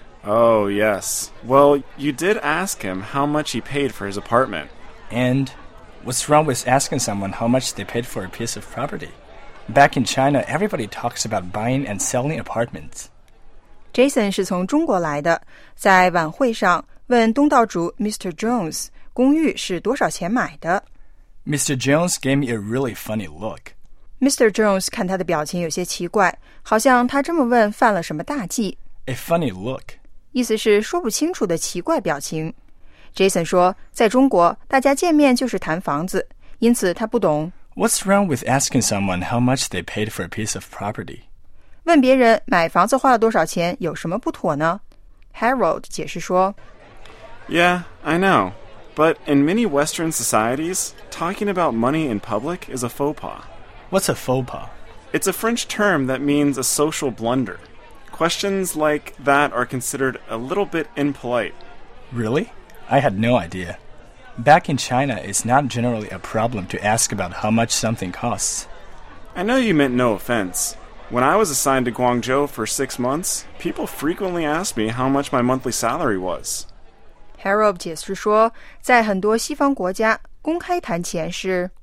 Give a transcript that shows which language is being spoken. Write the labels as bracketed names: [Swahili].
[English] Oh, yes. Well, you did ask him how much he paid for his apartment. And what's wrong with asking someone how much they paid for a piece of property? Back in China, everybody talks about buying and selling apartments. [Chinese] Jason 是从中国来的，在晚会上问东道主 Mr. Jones 公寓是多少钱买的。 [English] Mr. Jones gave me a really funny look. Mr. [Chinese] Jones 看他的表情有些奇怪，好像他这么问犯了什么大忌。 [English] A funny look. [Chinese] 意思是说不清楚的奇怪表情。Jason 说，在中国，大家见面就是谈房子，因此他不懂。 [English] What's wrong with asking someone how much they paid for a piece of property? [Chinese] 问别人买房子花了多少钱有什么不妥呢？ Harold 解释说 [English] ，Yeah, I know. But in many Western societies, talking about money in public is a faux pas. What's a faux pas? It's a French term that means a social blunder. Questions like that are considered a little bit impolite. Really? I had no idea. Back in China, it's not generally a problem to ask about how much something costs. I know you meant no offense. When I was assigned to Guangzhou for 6 months, people frequently asked me how much my monthly salary was. [Chinese] Harold 解释说，在很多西方国家，公开谈钱是